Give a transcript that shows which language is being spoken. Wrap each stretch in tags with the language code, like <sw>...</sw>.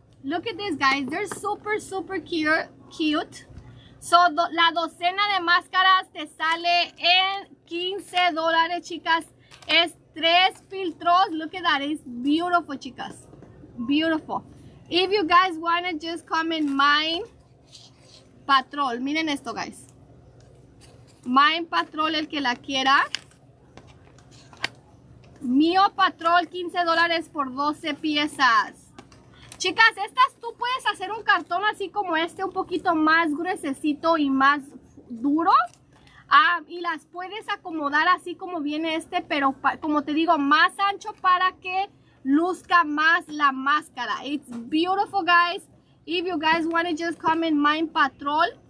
<en>Look at this, guys, they're super, super cute.</en> <es>So, la docena de máscaras te sale en $15, chicas. Es tres filtros.</es> <en>Look at that. It's beautiful, chicas. Beautiful. If you guys want to just come in Mine Patrol.</en> <es>Miren esto,</es> <en>guys.</en> <es>Mine Patrol, el que la quiera. Mio Patrol, $15 por 12 piezas. Chicas, estas tú puedes hacer un cartón así como este, un poquito más gruesecito y más duro. Y las puedes acomodar así como viene este, pero como te digo, más ancho para que luzca más la máscara.</es> <en>It's beautiful, guys. If you guys want to just come in Mind Patrol.</en>